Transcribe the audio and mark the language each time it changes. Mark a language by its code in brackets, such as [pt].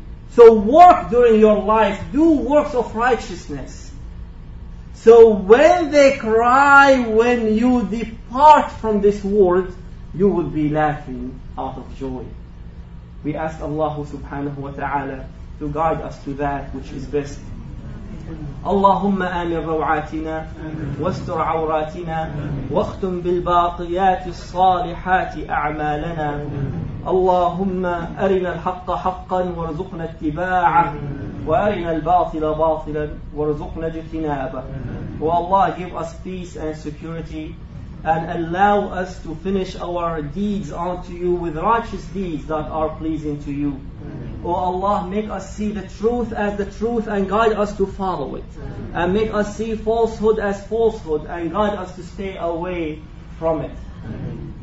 [en] So work during your life, do works of righteousness. So when they cry when you depart from this world, you will be laughing out of joy. We ask Allah subhanahu wa ta'ala to guide us to that which is best. [ar] اللهم آمن روعاتنا واستر عوراتنا واختم بالباقيات الصالحات أعمالنا. اللهم أرنا الحق حقا وارزقنا اتباعه وأرنا الباطل باطلا وارزقنا اجتنابه. [en] والله give us peace and security and allow us to finish our deeds unto you with righteous deeds that are pleasing to you. O Allah, make us see the truth as the truth and guide us to follow it. And make us see falsehood as falsehood and guide us to stay away from it.